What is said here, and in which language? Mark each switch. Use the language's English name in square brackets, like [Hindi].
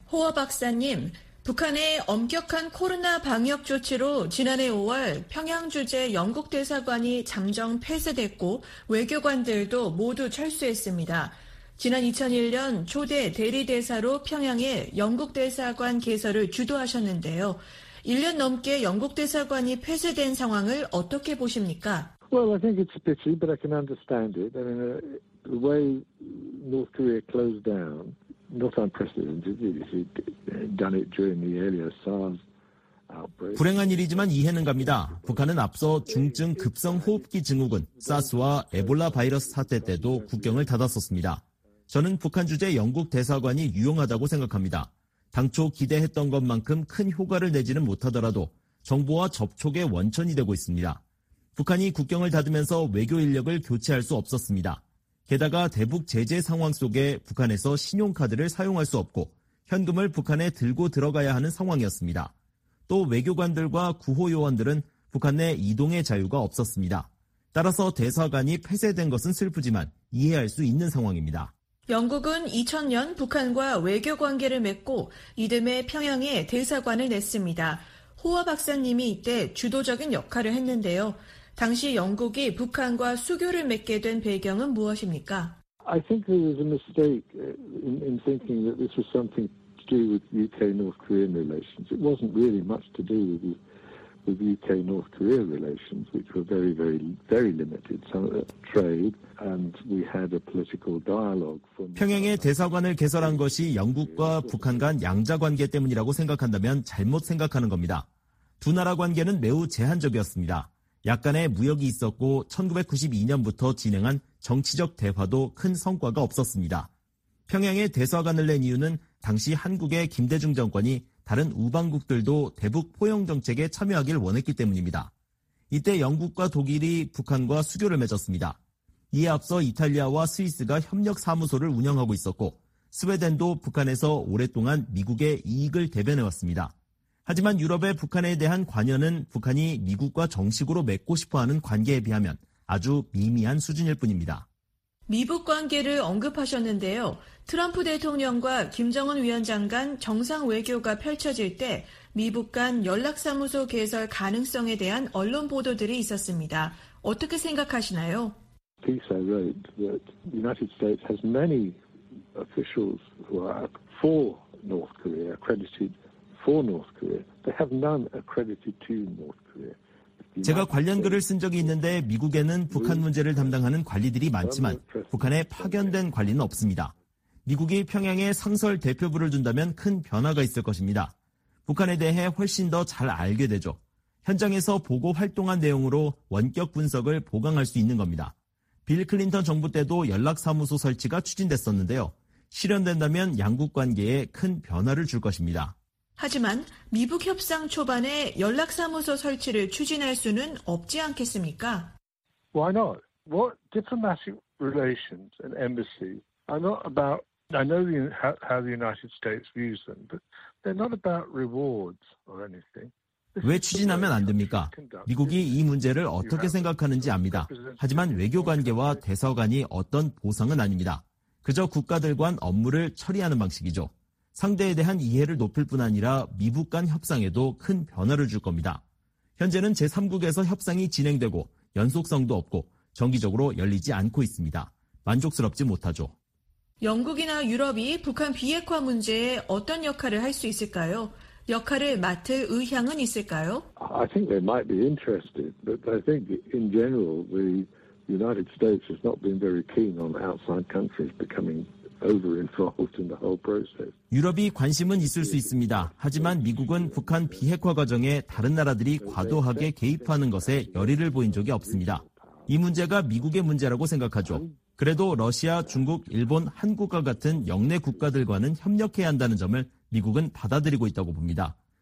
[Korean] 호어 박사님, 북한의 엄격한 코로나 방역 조치로 지난해 5월 평양 주재 영국 대사관이 잠정 폐쇄됐고 외교관들도 모두 철수했습니다. 지난 2001년 초대 대리대사로 평양에 영국 대사관 개설을 주도하셨는데요. 1년 넘게 영국 대사관이 폐쇄된 상황을 어떻게 보십니까? [English] Well, I think it's a pity, but I can understand it. I mean, the way North Korea closed down, not unprecedented, if you'd done it during the earlier SARS outbreak. [Korean] 불행한 일이지만 이해는 갑니다. 북한은 앞서 중증 급성 호흡기 증후군, 사스와 에볼라 바이러스 사태 때도 국경을 닫았었습니다. 저는 북한 주재 영국 대사관이 유용하다고 생각합니다. 당초 기대했던 것만큼 큰 효과를 내지는 못하더라도 정보와 접촉의 원천이 되고 있습니다. 북한이 국경을 닫으면서 외교 인력을 교체할 수 없었습니다. 게다가 대북 제재 상황 속에 북한에서 신용카드를 사용할 수 없고 현금을 북한에 들고 들어가야 하는 상황이었습니다. 또 외교관들과 구호요원들은 북한 내 이동의 자유가 없었습니다. 따라서 대사관이 폐쇄된 것은 슬프지만 이해할 수 있는 상황입니다. 영국은 2000년 북한과 외교 관계를 맺고 이듬해 평양에 대사관을 냈습니다. 호화 박사님이 이때 주도적인 역할을 했는데요. 당시 영국이 북한과 수교를 맺게 된 배경은 무엇입니까? [English] I think there was a mistake in thinking that this was something to do with UK-North Korean relations. It wasn't really much to do with UK-North Korea relations, which were very, very, very limited. Some trade, and we had a political dialogue. [Korean] 평양에 대사관을 개설한 것이 영국과 북한 간 양자 관계 때문이라고 생각한다면 잘못 생각하는 겁니다. 두 나라 관계는 매우 제한적이었습니다. 약간의 무역이 있었고 1992년부터 진행한 정치적 대화도 큰 성과가 없었습니다. 평양에 대사관을 낸 이유는 당시 한국의 김대중 정권이 다른 우방국들도 대북 포용 정책에 참여하길 원했기 때문입니다. 이때 영국과 독일이 북한과 수교를 맺었습니다. 이에 앞서 이탈리아와 스위스가 협력 사무소를 운영하고 있었고 스웨덴도 북한에서 오랫동안 미국의 이익을 대변해왔습니다. 하지만 유럽의 북한에 대한 관여는 북한이 미국과 정식으로 맺고 싶어하는 관계에 비하면 아주 미미한 수준일 뿐입니다. 미북 관계를 언급하셨는데요. 트럼프 대통령과 김정은 위원장 간 정상 외교가 펼쳐질 때 미북 간 연락사무소 개설 가능성에 대한 언론 보도들이 있었습니다. 어떻게 생각하시나요? [English] Piece I wrote that the United States has many officials who are for North Korea, accredited for North Korea. They have none accredited to North Korea. [Korean] 제가 관련 글을 쓴 적이 있는데 미국에는 북한 문제를 담당하는 관리들이 많지만 북한에 파견된 관리는 없습니다. 미국이 평양에 상설 대표부를 둔다면 큰 변화가 있을 것입니다. 북한에 대해 훨씬 더 잘 알게 되죠. 현장에서 보고 활동한 내용으로 원격 분석을 보강할 수 있는 겁니다. 빌 클린턴 정부 때도 연락사무소 설치가 추진됐었는데요. 실현된다면 양국 관계에 큰 변화를 줄 것입니다. 하지만 미북 협상 초반에 연락사무소 설치를 추진할 수는 없지 않겠습니까? [English] Why not? What diplomatic relations and embassies are not about? I know how the United States views them, but they're not about rewards or anything. [Korean] 왜 추진하면 안 됩니까? 미국이 이 문제를 어떻게 생각하는지 압니다. 하지만 외교 관계와 대사관이 어떤 보상은 아닙니다. 그저 국가들 간 업무를 처리하는 방식이죠. 상대에 대한 이해를 높일 뿐 아니라 미북 간 협상에도 큰 변화를 줄 겁니다. 현재는 제3국에서 협상이 진행되고 연속성도 없고 정기적으로 열리지 않고 있습니다. 만족스럽지 못하죠. 영국이나 유럽이 북한 비핵화 문제에 어떤 역할을 할 수 있을까요? 역할을 맡을 의향은 있을까요? [English] I think they might be interested, but I think in general the United States has not been very keen on outside countries becoming over-involved in the whole process. [Korean] 유럽이 관심은 있을 수 있습니다. 하지만 미국은 북한 비핵화 과정에 다른 나라들이 과도하게 개입하는 것에 열의를 보인 적이 없습니다. 이 문제가 미국의 문제라고 생각하죠. 그래도 러시아, 중국, 일본, 한국과 같은 역내 국가들과는 협력해야 한다는 점을 미국은 받아들이고 있다고 봅니다.